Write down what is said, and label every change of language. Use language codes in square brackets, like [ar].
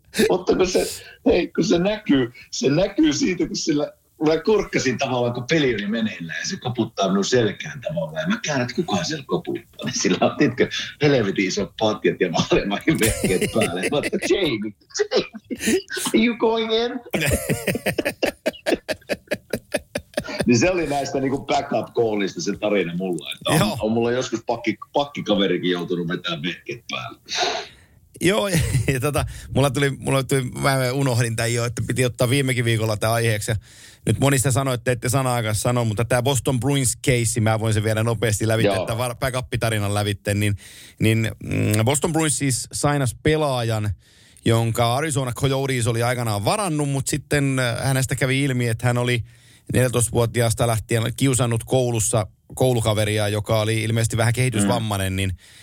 [fi] Mutta kun se näkyy siitä, kun sillä, mä kurkkasin tavallaan, kun peli oli meneillään ja se koputtaa minun selkään tavallaan. Ja mä käännän, että kukaan siellä koputtaa. Niin sillä on tietkö helvetin isot patjat ja maailmankin vehkeet päälle. Mä ootan, [en] Jamie, are you going in? [fi] Niin se oli näistä niin kuin backup callista se tarina mulla. Että on mulla joskus pakkikaverikin joutunut vetämään vehkeet päälle. Joo, ja mulla tuli, mä unohdin tämän jo, että piti ottaa viimekin viikolla tämä aiheeksi. Ja nyt monista sanoi, että ette sanaakaan sano, mutta tämä Boston Bruins case, mä voin sen vielä nopeasti lävittää, tämä backup-tarinan lävitteen, niin Boston Bruins siis sainas pelaajan, jonka Arizona Coyotes oli aikanaan varannut, mutta sitten hänestä kävi ilmi, että hän oli 14-vuotiaasta lähtien kiusannut koulussa koulukaveria, joka oli ilmeisesti vähän kehitysvammainen,